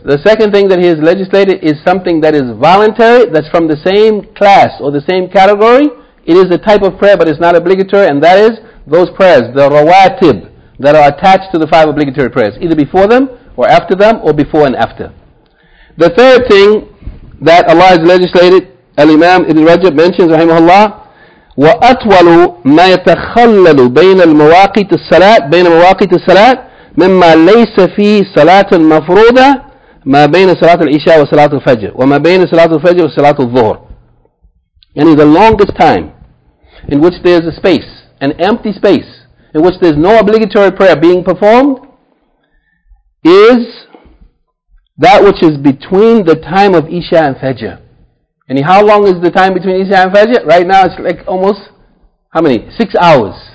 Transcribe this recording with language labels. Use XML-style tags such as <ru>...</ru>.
<en>The second thing that he has legislated is something that is voluntary, that's from the same class or the same category. It is a type of prayer, but it's not obligatory, and that is those prayers, the rawatib, that are attached to the five obligatory prayers, either before them or after them or before and after. The third thing that Allah has legislated, Al-Imam Ibn Rajab mentions, rahimahullah,</en> <ar>وَأَطْوَلُ مَا يَتَخَلَّلُ بَيْنَ الْمَوَاقِتِ الصَّلَاةِ بَيْنَ مَوَاقِتِ الصَّلَاةِ مِمَّا لَيْسَ فِي صَلَاةٍ مَفْرُوضَةٍ مَا بَيْنَ صَلَاةِ الْإِشَاءِ وَصَلَاةِ الْفَجْرِ وَمَا بَيْنَ صَلَاةِ الْفَجْرِ وَصَلَاةِ الظُّهُرِ.</ar> <en>And in the longest time in which there is a space, an empty space, in which there is no obligatory prayer being performed, is that which is between the time of Isha and Fajr. And how long is the time between Isha and Fajr? Right now it's like almost, how many? 6 hours.</en>